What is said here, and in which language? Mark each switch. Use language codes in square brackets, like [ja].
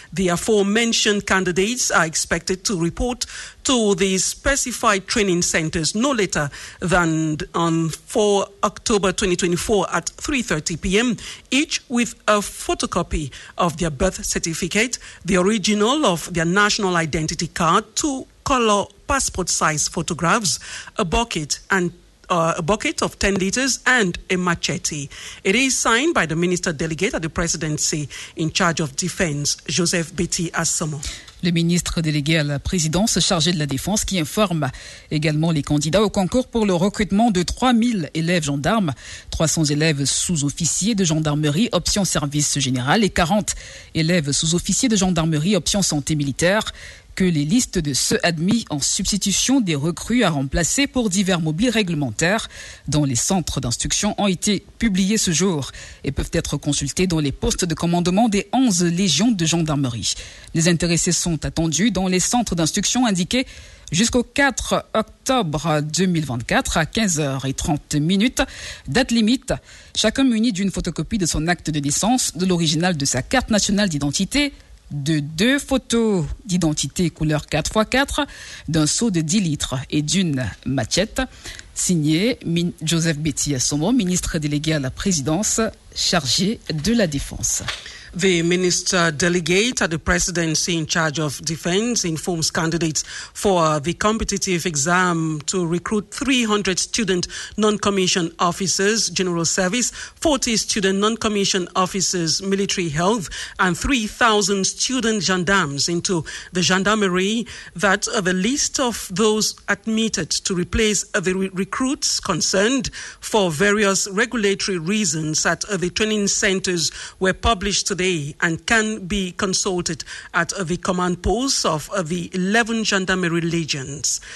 [en] The aforementioned candidates are expected to report to the specified training centres no later than on 4 October 2024 at 3:30 p.m., each with a photocopy of their birth certificate, the original of their national identity card, 2 colour passport size photographs, a bucket of 10 litres and a machete. It is signed by the Minister Delegate at the Presidency in charge of Defence, Joseph Betty Assomo. [fr] Le ministre délégué à la présidence chargé de la défense qui informe également les candidats au concours pour le recrutement de 3000 élèves gendarmes, 300 élèves sous-officiers de gendarmerie option service général et 40 élèves sous-officiers de gendarmerie option santé militaire que les listes de ceux admis en substitution des recrues à remplacer pour divers mobiles réglementaires dont les centres d'instruction ont été publiés ce jour et peuvent être consultés dans les postes de commandement des 11 légions de gendarmerie. Les intéressés sont attendus dans les centres d'instruction indiqués jusqu'au 4 octobre 2024 à 15h30, date limite, chacun muni d'une photocopie de son acte de naissance, de l'original de sa carte nationale d'identité, de deux photos d'identité couleur 4x4, d'un seau de 10 litres et d'une machette, signée Joseph Betty Assomo, ministre délégué à la présidence, chargé de la défense. [en] The minister delegate at the presidency in charge of defense informs candidates for the competitive exam to recruit 300 student non-commissioned officers, general service, 40 student non-commissioned officers, military health, and 3,000 student gendarmes into the gendarmerie that the list of those admitted to replace the recruits concerned for various regulatory reasons at the training centers were published today and can be consulted at the command posts of the 11 gendarmerie legions.